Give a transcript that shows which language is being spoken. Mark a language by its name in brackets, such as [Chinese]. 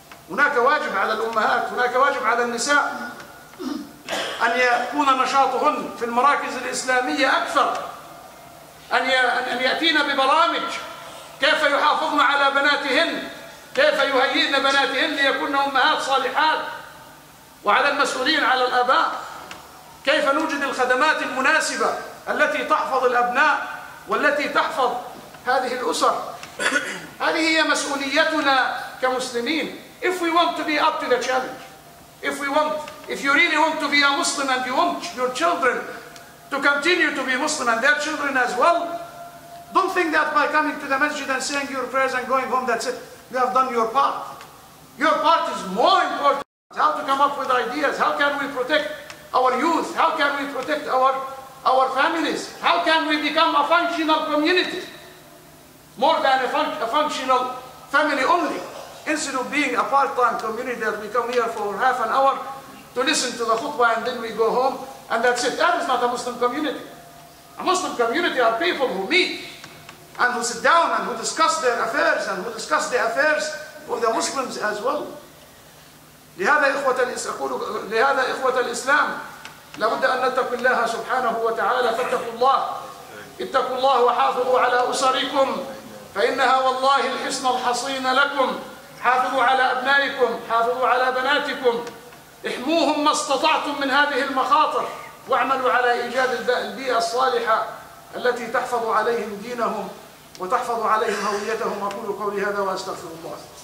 [Arabic] هناك واجب على الأمهات، هناك واجب على النساء أن يكون نشاطهن في المراكز الإسلامية أكثر، أن يأتين ببرامج كيف يحافظن على بناتهن، كيف يهيئن بناتهن ليكن أمهات صالحات. وعلى المسؤولين، على الآباء، كيف نوجد الخدمات المناسبة التي تحفظ الأبناء والتي تحفظ هذه الأسر. هذه هي مسؤوليتنا كمسلمين. [English] If we want to be up to the challenge, if you really want to be a Muslim and you want your children to continue to be Muslim and their children as well, don't think that by coming to the masjid and saying your prayers and going home, that's it. You have done your part. Your part is more important. How to come up with ideas? How can we protect our youth? How can we protect our families? How can we become a functional community? More than a functional family only. Instead of being a part-time community that we come here for half an hour to listen to the khutbah and then we go home and that's it. That is not a Muslim community. A Muslim community are people who meet and who sit down and who discuss their affairs and who discuss the affairs of the Muslims as well. [Arabic] لهذا إخوة الإسلام لابد أن نتقي الله سبحانه وتعالى فاتقوا الله اتقوا الله وحافظوا على أسركم فإنها والله الحصن الحصين لكم حافظوا على أبنائكم حافظوا على بناتكم احموهم ما استطعتم من هذه المخاطر واعملوا على إيجاد البيئة الصالحة التي تحفظ عليهم دينهم وتحفظ عليهم هويتهم أقول قولي هذا وأستغفر الله